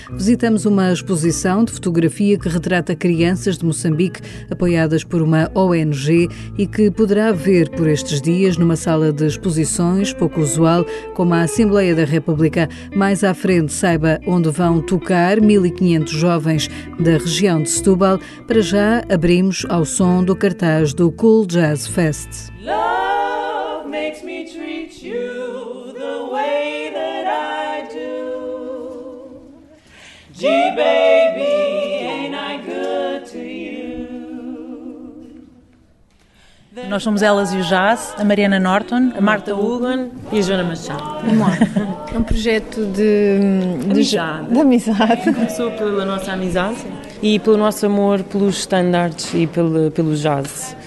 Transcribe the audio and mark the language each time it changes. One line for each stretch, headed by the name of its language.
Portuguese: Visitamos uma exposição de fotografia que retrata crianças de Moçambique apoiadas por uma ONG e que poderá ver por estes dias numa sala de exposições pouco usual como a Assembleia da República. Mais à frente saiba onde vão tocar 1.500 jovens da região de Setúbal. Para já abrimos ao som do cartaz do Cool Jazz Fest.
English: Love makes me treat you the way that I do. Gee, baby, ain't I good to you?
Portuguese: Nós somos Elas e o Jazz, a Mariana Norton, a Marta Hugan e a Joana Machado. Vamos lá. Um projeto de amizade. De amizade. Começou pela nossa amizade. E pelo nosso amor pelos standards e pelo jazz.